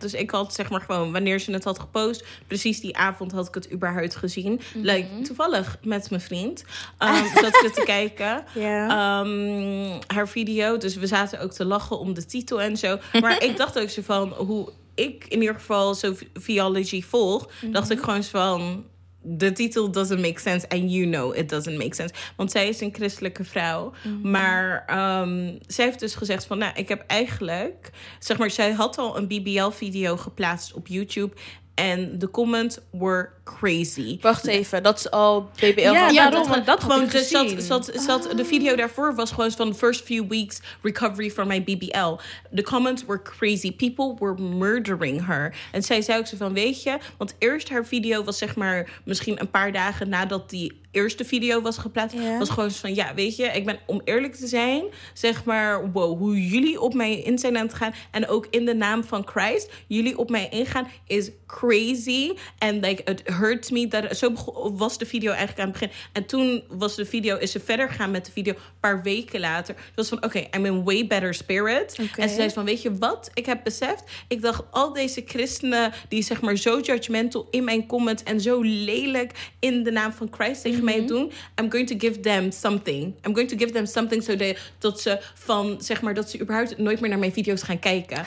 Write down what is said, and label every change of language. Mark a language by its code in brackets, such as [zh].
[nl] Dus ik had, zeg maar, gewoon wanneer ze het had gepost... precies die avond had ik het überhaupt gezien. Mm-hmm. Like, toevallig met mijn vriend. zat ik te kijken. [en] Yeah. [nl] Haar video. Dus we zaten ook te lachen om de titel en zo. Maar ik dacht ook zo van... hoe ik in ieder geval Sophiology volg... Mm-hmm. dacht ik gewoon zo van... de titel [en] doesn't make sense and you know it doesn't make sense. [nl] Want zij is een christelijke vrouw. Mm-hmm. Maar zij heeft dus gezegd van... nou, ik heb eigenlijk... zeg maar, zij had al een BBL-video geplaatst op YouTube... en de [en] comments were crazy. [nl] Wacht even, dat is al BBL. Ja, waarom? Dat gewoon. De video daarvoor was gewoon van... [en] first few weeks recovery from my BBL. The comments were crazy. People were murdering her. [nl] En zij zei ook zo van, weet je... want eerst haar video was, zeg maar... misschien een paar dagen nadat die eerste video was geplaatst... was gewoon van, ja, weet je... ik ben, om eerlijk te zijn, zeg maar... wow, hoe jullie op mij in zijn aan het gaan... en ook in de naam van Christ... jullie op mij ingaan is crazy. [en] And like, it hurts me. [nl] That, zo was de video eigenlijk aan het begin. En toen was de video, is ze verder gegaan met de video. Een paar weken later. Ze was van, oké, [en] okay, I'm in way better spirit. Okay. [nl] En ze zei van, weet je wat ik heb beseft? Ik dacht, al deze christenen die zeg maar zo judgmental in mijn comments en zo lelijk in de naam van Christ tegen mij doen. [en] I'm going to give them something. [nl] I'm going to give them something [en] so they, [nl] dat ze van, zeg maar, dat ze überhaupt nooit meer naar mijn video's gaan kijken.